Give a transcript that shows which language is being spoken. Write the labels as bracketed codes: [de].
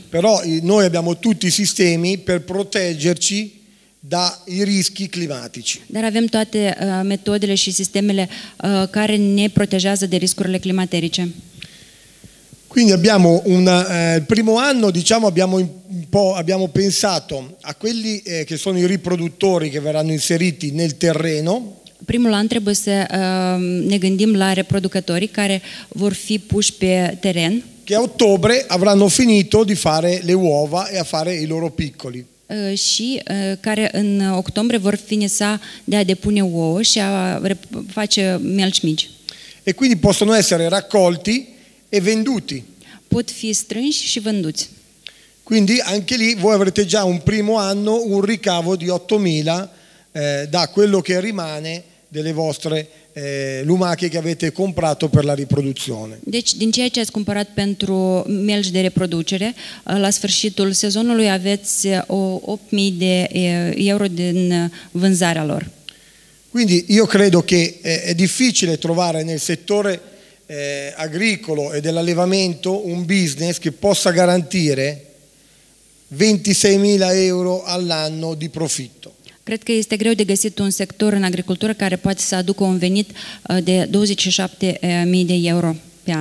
[it] Però noi abbiamo tutti i sistemi per proteggerci dai rischi climatici. [ro] Dar avem toate metodele și sistemele care ne protejează de riscurile climaterice. [it] Quindi abbiamo il primo anno, diciamo, abbiamo pensato a quelli che sono i riproduttori che verranno inseriti nel terreno. [ro] Primul an trebuie să ne gândim la reproducătorii care vor fi puși pe teren. [it] Che a ottobre avranno finito di fare le uova e a fare i loro piccoli. [ro] Și care în octombrie vor finisa de a depune ouă și a face melci mici. [it] E quindi possono essere raccolti e venduti. [ro] Pot fi strânși și vânduți. [it] Quindi anche lì voi avrete già un primo anno un ricavo di 8.000 da quello che rimane delle vostre lumache che avete comprato per la riproduzione. [ro] Deci, din ceea ce ați cumpărat pentru melci de reproducere, la sfârșitul sezonului aveți 8.000 de euro din vânzarea lor. [it] Quindi io credo che è difficile trovare nel settore agricolo e dell'allevamento un business che possa garantire 26.000 euro all'anno di profitto. [ro] Cred că este greu de găsit un sector în agricultură care poate să aducă un venit de 27.000 de euro pe an.